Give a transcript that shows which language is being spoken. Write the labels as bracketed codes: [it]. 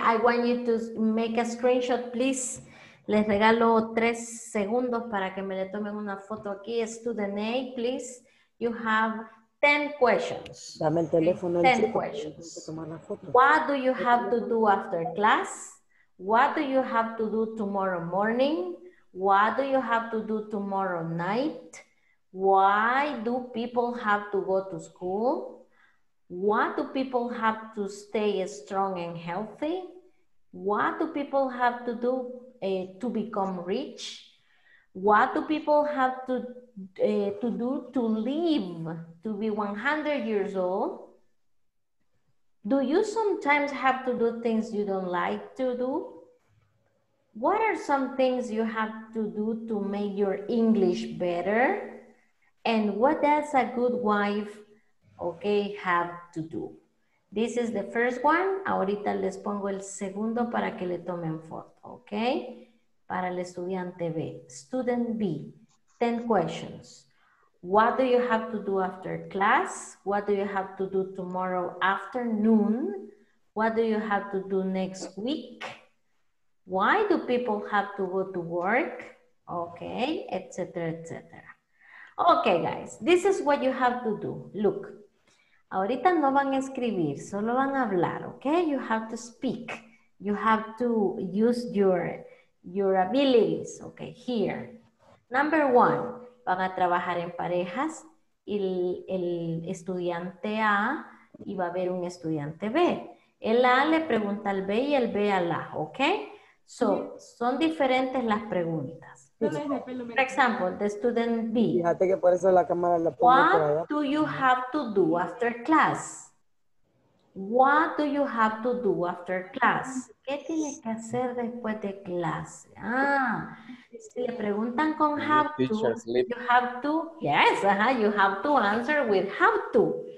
[en] I want you to make a screenshot, please. [es] Les regalo 3 segundos para que me le tomen una foto aquí. [en] Student A, please. You have 10 questions. [es] Dame el teléfono. [en] 10 questions. What do you have to do after class? What do you have to do tomorrow morning? What do you have to do tomorrow night? Why do people have to go to school? What do people have to stay strong and healthy? What do people have to do to become rich? What do people have to do to live to be 100 years old? Do you sometimes have to do things you don't like to do? What are some things you have to do to make your English better? And what does a good wife, have to do? This is the first one. [es] Ahorita les pongo el segundo para que le tomen foto, okay? Para el estudiante B. [en] Student B, 10 questions. [es] What do you have to do after class? What do you have to do tomorrow afternoon? What do you have to do next week? Why do people have to go to work? Okay, etc., etc. Okay, guys, this is what you have to do. [en] Look. [es] Ahorita no van a escribir, solo van a hablar, okay? [en] You have to speak. You have to use your abilities, okay? Here. Number one, [es] van a trabajar en parejas. El estudiante A y va a ver un estudiante B. El A le pregunta al B y el B al A, okay? So, son diferentes las preguntas. [en] For example, the student B. [es] Fíjate que por eso la cámara la pongo [en] what [es] por allá. [en] Do you have to do after class? What do you have to do after class? [es] ¿Qué tiene que hacer después de clase? Si le preguntan con [en] have to, you have to, yes, you have to answer with have to.